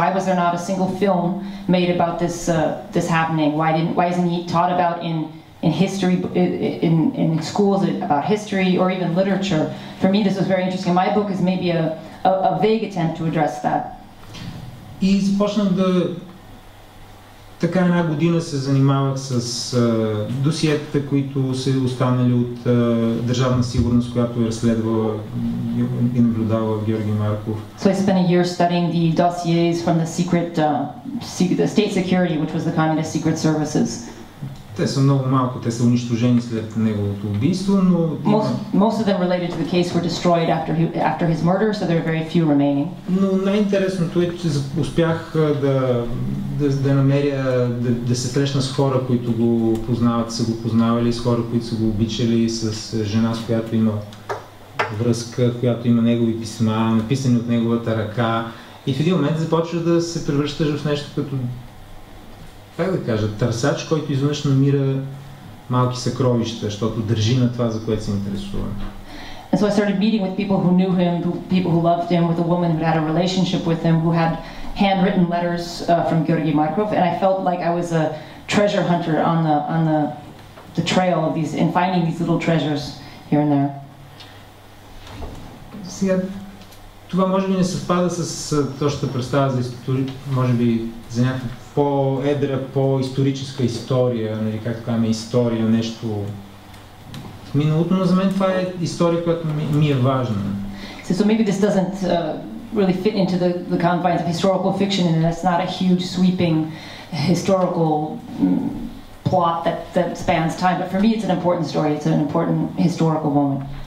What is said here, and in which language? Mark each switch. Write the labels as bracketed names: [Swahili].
[English] Why was there not a single film made about this this happening? Why isn't he taught about in history, in schools about history or even literature? For me, this was very interesting. My book is maybe a vague attempt to address that. He's pushing the. [Bulgarian] Така една година се занимавах с досиетата, които са останали от държавна сигурност, която е разследвала и наблюдава Георги Марков. [English] So I spent a year studying the dossiers from the secret the state security, which was the communist secret services. [Bulgarian] Те са много малко, те са унищожени след неговото убийство, но [English] most of them related to the case were destroyed after his murder, so there are very few remaining. [Bulgarian] Но най-интересното е, че успях да намеря, да се срещна с хора, които го познават, са го познавали, с хора, които са го обичали, с жена, с която има връзка, която има негови писма, написани от неговата ръка. И в един момент започва да се превръщаш в нещо като, как да кажа, търсач, който изведнъж намира малки съкровища, защото държи на това, за което се интересува. [English] And so I started meeting with people who knew him, people who loved him, with a woman who had a relationship with him, who had handwritten letters from Georgi Markov, and I felt like I was a treasure hunter on the trail of these, in finding these little treasures here and there. [Bulgarian] Сега, това може би не съвпада с точната представа за история, може би за някаква по-едра, по-историческа история, нали, както казваме, история, нещо в миналото, но за мен това е история, която ми е важна. [English] So maybe this doesn't really fit into the confines of historical fiction, and that's not a huge sweeping historical plot that spans time, but for me it's an important story, it's an important historical moment.